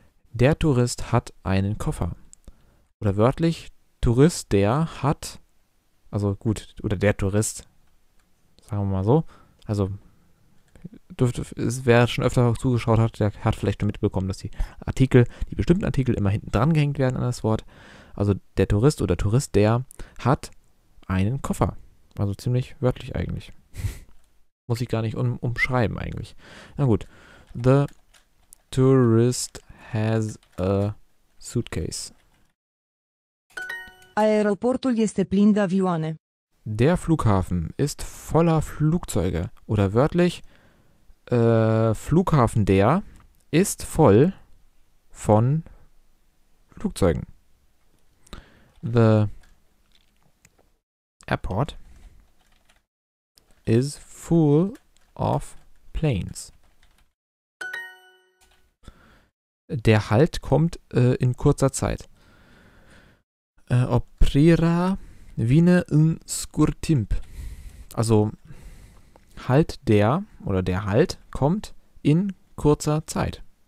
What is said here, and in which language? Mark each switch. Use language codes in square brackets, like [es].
[de] Der Tourist hat einen Koffer. Oder wörtlich, Tourist, der hat, also gut, oder der Tourist, sagen wir mal so, also wer schon öfter zugeschaut hat, der hat vielleicht schon mitbekommen, dass die Artikel, die bestimmten Artikel immer hinten dran gehängt werden an das Wort. Also der Tourist oder Tourist, der hat einen Koffer. Also ziemlich wörtlich eigentlich. Muss ich gar nicht umschreiben eigentlich. Na gut. [en] The tourist has a suitcase. [ro] Aeroportul este plin de avioane. [de] Der Flughafen ist voller Flugzeuge. Oder wörtlich, Flughafen der ist voll von Flugzeugen. [en] The airport is full of planes. [de] Der Halt kommt in kurzer Zeit. [ro] Oprirea vine in scurtimp. [de] Also Halt der oder der Halt kommt in kurzer Zeit.